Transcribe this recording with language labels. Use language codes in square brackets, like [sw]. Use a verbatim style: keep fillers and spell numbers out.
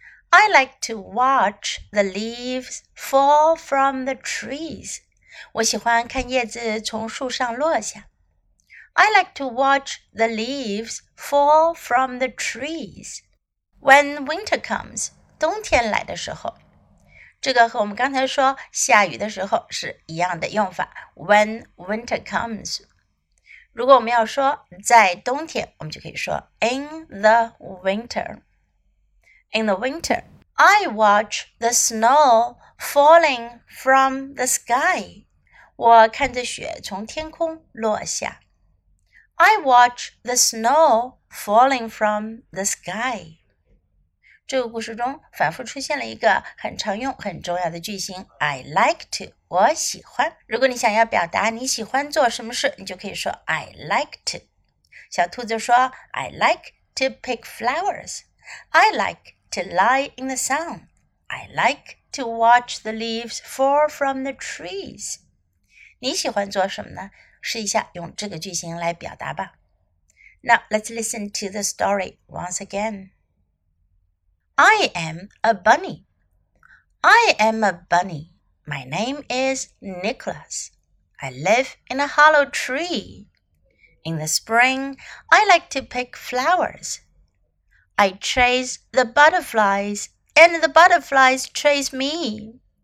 [en] I like to watch the leaves fall from the trees。 [zh] 我喜欢看叶子从树上落下。 [en] I like to watch the leaves fall from the trees. When winter comes, [zh] 冬天来的时候，这个和我们刚才说下雨的时候是一样的用法。 [en] When winter comes. [zh] 如果我们要说在冬天，我们就可以说 [en] in the winter. In the winter, I watch the snow falling from the sky. [zh] 我看着雪从天空落下。 [en] I watch the snow falling from the sky. [zh] 这个故事中反复出现了一个很常用、很重要的句型 [en] I like to， [zh] 我喜欢。如果你想要表达你喜欢做什么事，你就可以说 [en] I like to。 [zh] 小兔子说 [en] I like to pick flowers. I like to lie in the sun. I like to watch the leaves fall from the trees. [zh] 你喜欢做什么呢？试一下用这个句型来表达吧。 [en] Now let's listen to the story once again. I am a bunny. I am a bunny. My name is Nicholas. I live in a hollow tree. In the spring, I like to pick flowers. I chase the butterflies, and the butterflies chase me.